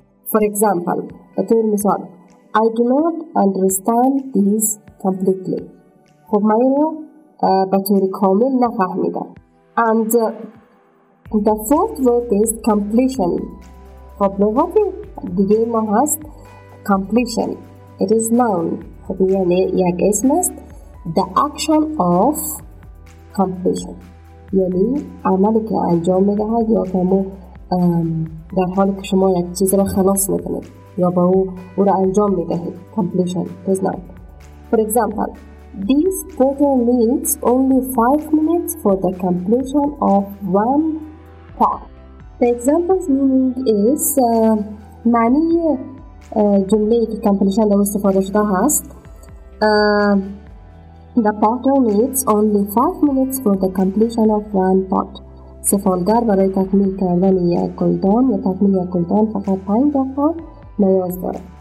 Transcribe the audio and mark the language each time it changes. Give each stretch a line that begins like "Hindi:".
English: For example,
Persian: به طور مثال
English: I do not understand this completely.
Persian: خب من این را به طور کامل نفهمیدم.
English: And the fourth word is completion.
Persian: خب لغت دیگه ما هست completion.
English: It is noun.
Persian: خب یعنی یک اسم است.
English: The action of completion.
Persian: یعنی عملی که انجام میدهد یا کمو در حالی که شما یک چیز را خلاص میکنید یا با او را انجام میدهید.
English: Completion. Is noun. For example, this photo needs only 5 minutes for the completion of one part. The example's meaning is
Persian: معنی جمله که completion در استفاده شده هست.
English: The potter needs only 5 minutes for the completion of one pot.
Persian: سفالگر برای تکمیل کردن یک گلدان یا تکمیل یک گلدان فقط 5 دفعه نیاز داره.